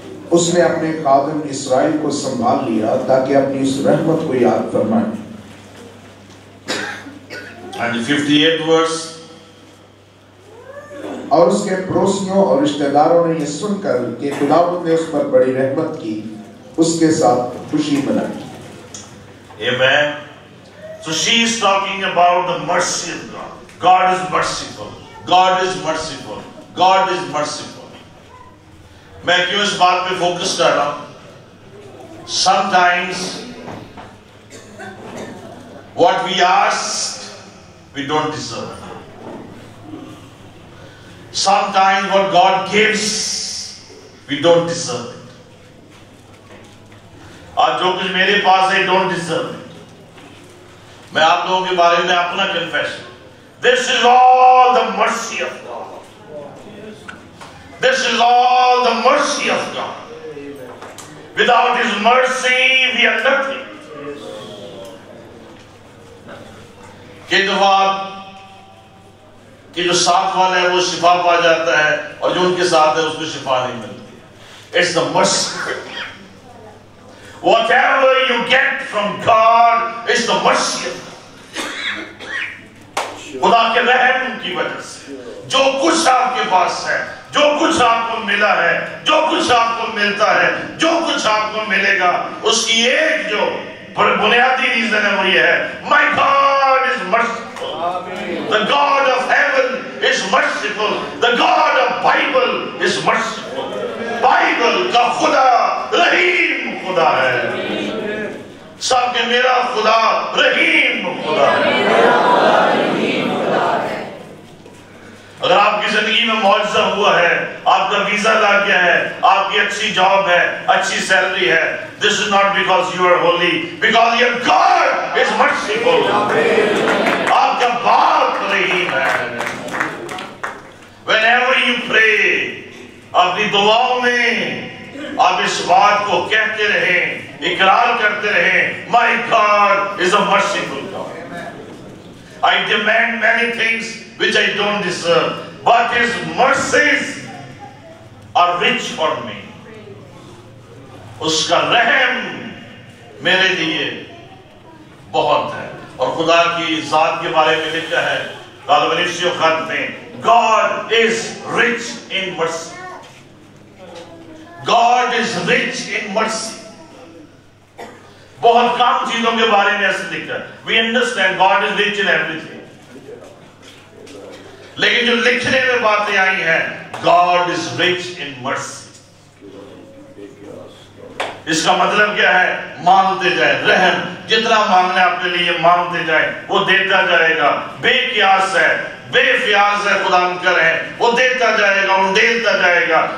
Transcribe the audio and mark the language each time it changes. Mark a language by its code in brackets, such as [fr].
[ur] اس نے اپنے خادم اسرائیل کو سنبھال لیا تاکہ اپنی اس رحمت کو یاد فرمائے. ہاں جی 58th ورس. اور اس کے پڑوسیوں اور رشتہ داروں نے یہ سن کر کہ خداوند نے اس پر بڑی رحمت کی اس کے ساتھ خوشی منائی. [en] Amen. So she is talking about the mercy of God. God is merciful. God is merciful. God is merciful. [ur] میں کیوں اس بات پہ فوکس کر رہا ہوں؟ [en] Sometimes what we asked we don't deserve. Sometimes what God gives we don't deserve. [ur] آج جو کچھ میرے پاس ہے [en] Don't deserve. [ur] میں آپ لوگوں کے بارے میں اپنا confession, [en] This is all the mercy of God, this is all the mercy of God, without his mercy we are nothing. [ur] کئی دفعہ کہ جو ساتھ والا ہے وہ شفا پا جاتا ہے اور جو ان کے ساتھ ہے اس کو شفا نہیں ملتی. [en] It's the mercy. Whatever you get from God is the mercy of God. [ur] خدا کے رحم کی وجہ سے جو کچھ آپ کے پاس ہے, جو کچھ آپ کو ملا ہے, جو کچھ آپ کو ملتا ہے, جو کچھ آپ کو ملے گا, اس کی ایک جو بنیادی ریزن ہے وہ یہ ہے, [en] My God is merciful. The God of heaven is merciful. The God of Bible is merciful. [ur] Bible کا خدا رحیم خدا ہے. سب کے میرا خدا رحیم خدا ہے. اگر آپ کی زندگی میں معجزہ ہوا ہے, آپ کا ویزا لگ گیا ہے, آپ کی اچھی جاب ہے, اچھی سیلری ہے, [en] This is not because you are holy, because your God is merciful. [ur] آپ کا باپ رحیم ہے. [en] whenever you pray, [ur] اپنی دعاؤں میں آپ اس بات کو کہتے رہیں, اقرار کرتے رہیں, [en] My God is a merciful God. I demand many things which I don't deserve, but His mercies are rich for me. [ur] اس کا رحم میرے لیے بہت ہے. اور خدا کی ذات کے بارے میں لکھا ہے غالب رشیوں خط میں, [en] God is rich in mercy. God is rich in mercy. [ur] بہت کم چیزوں کے بارے میں ایسے لکھا ہے. [en] We understand God is rich in everything. [ur] لیکن جو لکھنے میں باتیں آئی ہیں, [en] God is rich in mercy. [ur] اس کا مطلب کیا ہے؟ مانگتے جائے رحم, جتنا مانگنا آپ کے لیے مانگتے جائے, وہ دیتا جائے گا. بے قیاس ہے, بے فیاض ہے, خدا ان کا رحم وہ دیتا جائے گا, اڈھیلتا جائے گا.